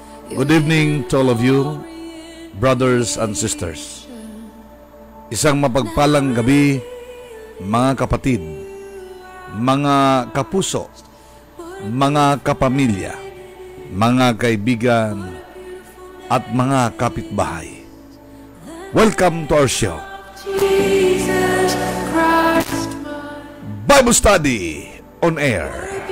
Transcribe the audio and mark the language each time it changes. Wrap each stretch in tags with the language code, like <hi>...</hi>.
<en>Good evening to all of you, brothers and sisters.</en> <tl>Isang mapagpalang gabi, mga kapatid, mga kapuso, mga kapamilya, mga kaibigan, at mga kapitbahay.</tl> <en>Welcome to our show, Jesus Christ, Bible Study on Air.</en>